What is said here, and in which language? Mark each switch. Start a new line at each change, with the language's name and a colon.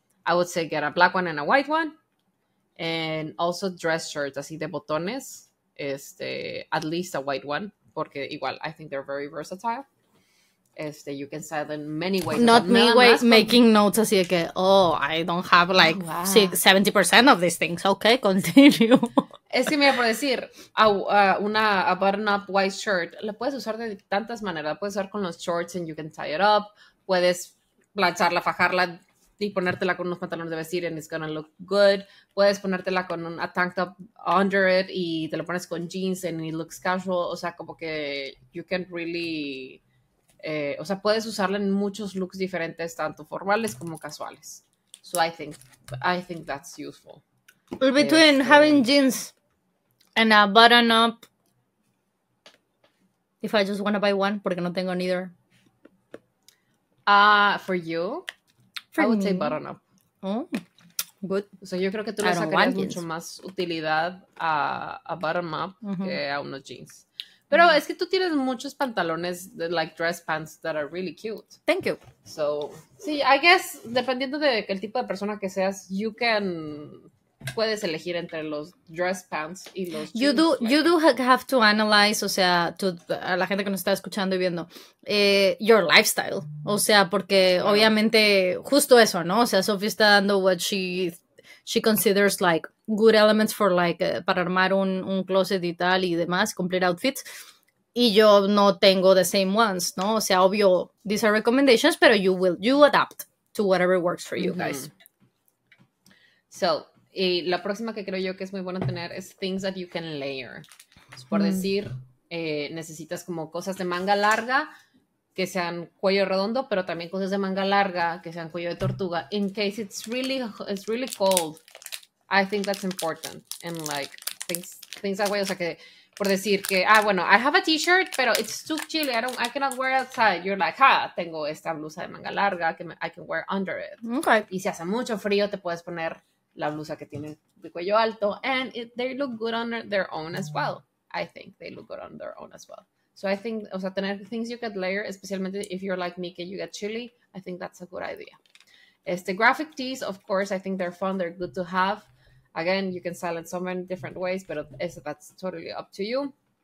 English: I would say get a black one and a white one, and also dress shirts,
Spanish: así de botones,
English: at least a white one, porque igual, I think they're very versatile. You can style them many ways. Not me ways, making notes así de que, oh, I don't have like 70% of these things. Okay, continue.
Spanish: Es que mira, por decir,
English: a button-up white shirt,
Spanish: la puedes usar de tantas maneras. La puedes usar con los shorts
English: and you can tie it up.
Spanish: Puedes plancharla, fajarla y ponértela con unos pantalones de vestir
English: and it's gonna look good.
Spanish: Puedes ponértela con
English: a tank top under it
Spanish: y te lo pones con jeans
English: and it looks casual.
Spanish: O sea, como que
English: you can really...
Spanish: O sea, puedes usarla en muchos looks diferentes, tanto formales como casuales.
English: So I think that's useful. Between having jeans and a button up, if I just want to buy one,
Spanish: porque no tengo
English: neither. For you, for I would say button up. Oh, good.
Spanish: O sea, yo creo que tú le sacarías mucho más utilidad a button up que a unos jeans. Pero es que tú tienes muchos pantalones, de,
English: like dress pants, that are really cute. Thank you.
Spanish: So, sí,
English: I guess,
Spanish: dependiendo de el tipo de persona que seas, you can, puedes elegir entre los dress pants y los jeans.
English: You do, like, you do have to analyze, o sea, to,
Spanish: a la gente que nos está escuchando y viendo,
English: your lifestyle.
Spanish: O sea, porque obviamente, justo eso, ¿no? O sea, Sophie está dando
English: what she considers like good elements for like
Spanish: para armar un closet y tal y demás, cumplir outfits, y yo no tengo
English: the same ones,
Spanish: ¿no?
English: O sea, obvio, these are recommendations, pero you adapt to whatever works for you guys.
Spanish: So, y la próxima que creo yo que es muy buena tener es
English: things that you can layer.
Spanish: Es por decir, necesitas como cosas de manga larga que sean cuello redondo, pero también cosas de manga larga que sean cuello de tortuga.
English: In case it's really cold, I think that's important. And like things that way,
Spanish: o sea que por decir que bueno,
English: I have a t-shirt, pero it's too chilly. I cannot wear it outside. You're like, ah,
Spanish: tengo esta blusa de manga larga que
English: I can wear under it. Okay.
Spanish: Y si hace mucho frío, te puedes poner la blusa que tiene de cuello alto.
English: And they look good on their own as well. I think they look good on their own as well. So I think, o sea, tener things you could layer, especially if you're like me, you get chilly, I think that's a good idea. Este, graphic tees, of course, I think they're fun, they're good to have. Again, you can style it so many different ways, but that's totally up to you.